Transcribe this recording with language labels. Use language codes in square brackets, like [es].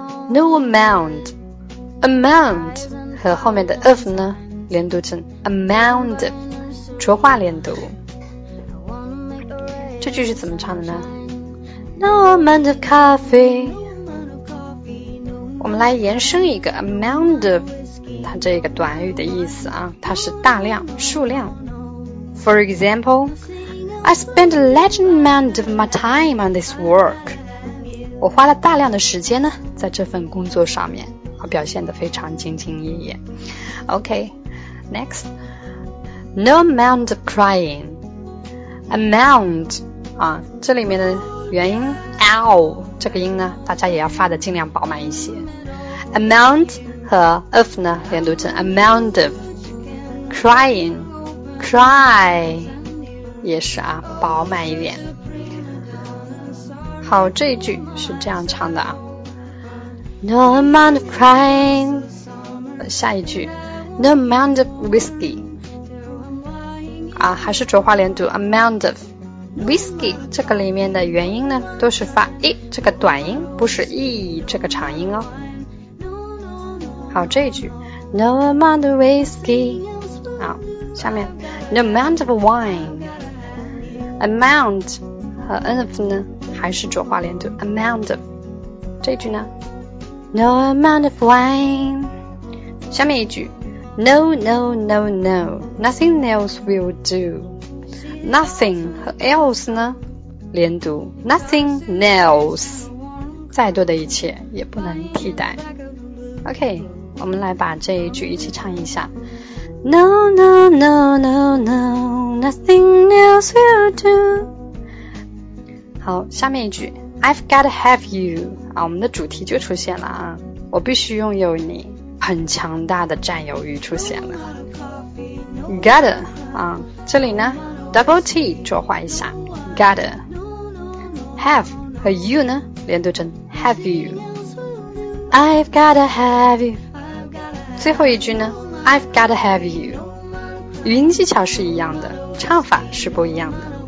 [zh] No amount, amount, 和后面的 of 呢连读成 amount of, 浊化连读。这句是怎么唱的呢？ No amount of coffee, 我们来延伸一个 amount of, 它这个短语的意思啊，它是大量数量。 [en] For example,I spend a large amount of my time on this work. [zh] 我花了大量的时间呢在这份工作上面，我表现得非常兢兢业业。 [en] OK, next. No amount of crying. [zh] Amount,这里面的元音 ow 这个音呢大家也要发得尽量饱满一些。 Amount 和 of 呢连读成 amount of. Crying, cry,也是啊，饱满一点。好，这一句是这样唱的啊。 [en] No amount of crying. 下一句，No amount of whiskey. [zh] 啊，还是浊化连读 ，amount of whiskey. 这个里面的元音呢，都是发 e 这个短音，不是 e 这个长音哦。 [en] 好，这一句，No amount of whiskey. 好，下面，No amount of wine. [zh] Amount 和 of 呢还是浊化连读 amount of. [en] 这句呢 No amount of wine. 下面一句 No, no, no, no, nothing else will do. [zh] Nothing 和 else 呢连读 nothing else, 再多的一切也不能替代。 OK, 我们来把这一句一起唱一下。 [en] No, no, no, no, noNothing else will do. 好，下面一句 I've gotta have you. [zh] 啊，我们的主题就出现了啊，我必须拥有你，很强大的占有欲出现了。 Gotta 啊，这里呢 double T 浊化一下 gotta. [en] Have 和 you 呢连读成 have you. I've gotta have you. 最后一句呢 I've gotta have you. [zh] 语音技巧是一样的，唱法是不一样的。